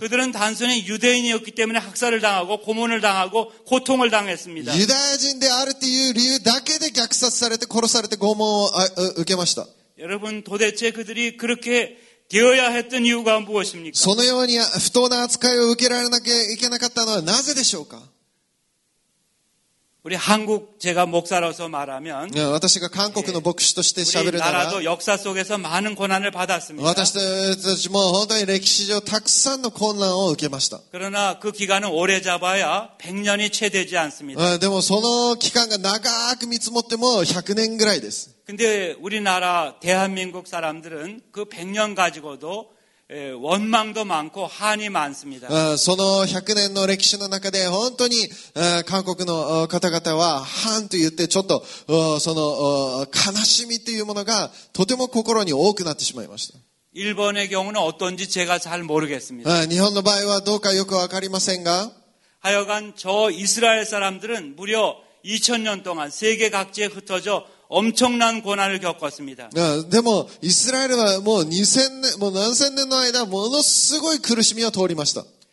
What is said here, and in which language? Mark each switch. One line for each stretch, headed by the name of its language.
Korean: 그들은단순히유대인이었기때문에학살을당하고고문을당하고고통을당했습니다
Japanese: 유대인であるという理由だけで虐殺されて殺されて拷問を受けました
Korean: 여러분도대체그들이그렇게되어야했던이유가무엇입니까
Japanese: そのように不当な扱いを受けられなきゃいけなかったのはなぜでしょうか
Korean: 우리한국제가목사로서말하면
Japanese: 私が韓国の牧師として喋るなら
Korean: 우리나라도역사속에서많은고난을받았습니다
Japanese: 私たちも本当に歴史上たくさんの困難を受けました
Korean: 그러나그기간은오래잡아야100년이채되지않습니다
Japanese: でもその期間が長く見積もっても100年ぐらいです
Korean: 근데우리나라대한민국사람들은그100년가지고도원망도많고한이많습니다
Japanese: その100年の歴史の中で本当に韓国の方々は한と言ってちょっとその悲しみというものがとても心に多くなってしまいました
Korean: 일본의경우는어떤지제가잘모르겠습니다
Japanese: 日本の場合はどうかよくわかりませんが
Korean: 하여간저이스라엘사람들은무려2000년동안세계각지에흩어져엄청난고난을겪었습니다
Japanese: でも이스라엘은뭐2000년뭐何千年の間ものすごい苦しみを通りました